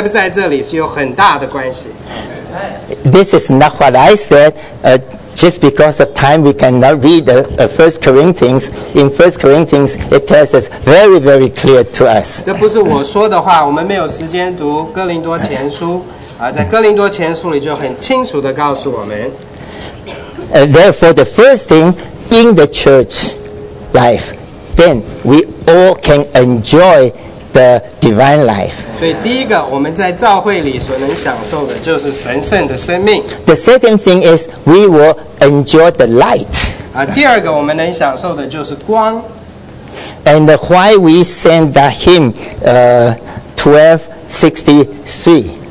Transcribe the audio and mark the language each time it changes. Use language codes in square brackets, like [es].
[zh] 所以不要说我无关紧要，我在这里不在这里都没有关系。你在不在这里是有很大的关系。 [en] This is not what I said. Just because of time, we cannot read the First Corinthians. In First Corinthians, it tells us very, very clear to us. [zh] 这不是我说的话，我们没有时间读哥林多前书。在哥林多前书里就很清楚地告诉我们。 [en] Therefore, the first thing in the church life, then we all can enjoy the divine life. [zh] 所以第一个，我们在教会里所能享受的就是神圣的生命。 [en] The second thing is we will enjoy the light. [zh] 第二个我们能享受的就是光。 [en] And why we send that hymn 1263?